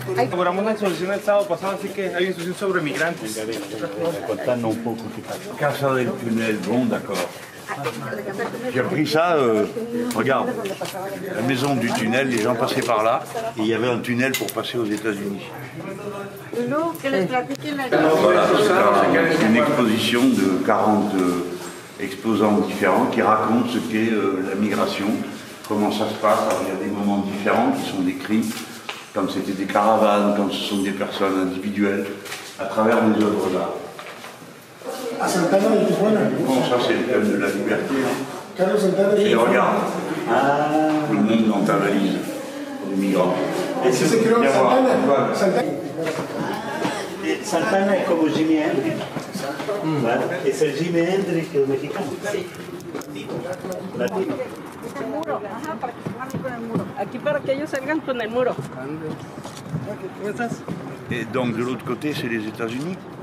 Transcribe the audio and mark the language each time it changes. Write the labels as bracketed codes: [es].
[es] Logramos una exposición el sábado pasado, así que hay una exposición sobre migrantes. Contando un poco qué pasa. Casa del túnel, [fr] bon, d'accord. J'ai repris ça, regarde, la maison du tunnel, les gens passaient par là, et il y avait un tunnel pour passer aux États-Unis. Voilà, c'est une exposition de 40 exposants différents qui racontent ce qu'est la migration, comment ça se passe. Alors, il y a des moments différents qui sont décrits, comme c'était des caravanes, comme ce sont des personnes individuelles, à travers les œuvres d'art. A Santana de Tijuana. Bon, ça c'est le thème de la liberté. Carlos Santana de Tijuana. Et regarde, le monde dans ta valise, les migrants. Et c'est ce que l'on appelle Santana. Santana est comme Jimi Hendrix. Et c'est Jimi Hendrix le Mexicain. Latino. [es] Aquí para que ellos salgan con el muro. [fr] Et donc de l'autre côté, c'est les États-Unis.